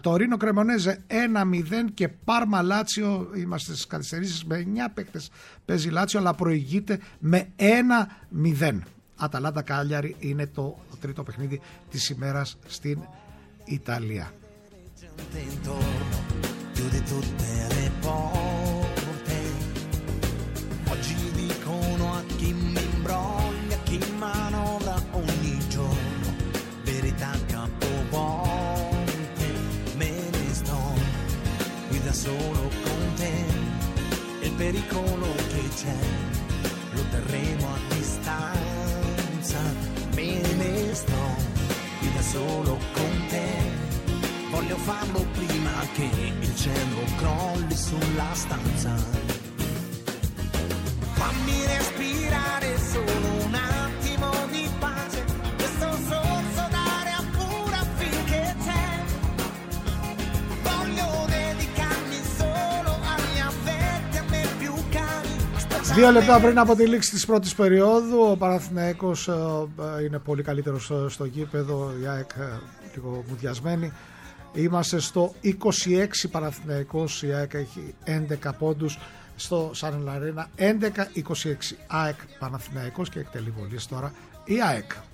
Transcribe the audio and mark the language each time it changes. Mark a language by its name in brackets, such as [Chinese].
[Greek] Τωρίνο Κρεμονέζε 1-0 και Πάρμα Λάτσιο, είμαστε στις καθυστερήσεις, με 9 παίκτες παίζει Λάτσιο αλλά προηγείται με 1-0. Αταλάντα Κάλιαρη είναι το τρίτο παιχνίδι της ημέρας στην Ιταλία. [Italian] Chiude tutte le porte, oggi dicono a chi mi imbroglia, chi manovra ogni giorno, verità capovolte, me ne sto qui da solo con te, il pericolo che c'è, lo terremo a distanza, me ne sto qui da solo con te. Voglio farlo prima che il cielo crolli sulla stanza. Fammi respirare solo un attimo di pace, questo sorso d'aria pura finché c'è. Voglio dedicarmi solo agli affetti a me più cari. [Greek] 2 λεπτά πριν από τη λήξη της πρώτης περίοδου, ο Παναθηναϊκός είναι πολύ καλύτερος στο γήπεδο, η ΑΕΚ λίγο μουδιασμένη. Είμαστε στο 26 Παναθηναϊκός, η ΑΕΚ έχει 11 πόντους στο Σάρνελ Αρένα 11-26. ΑΕΚ Παναθηναϊκός και εκτελεί βολής τώρα η ΑΕΚ.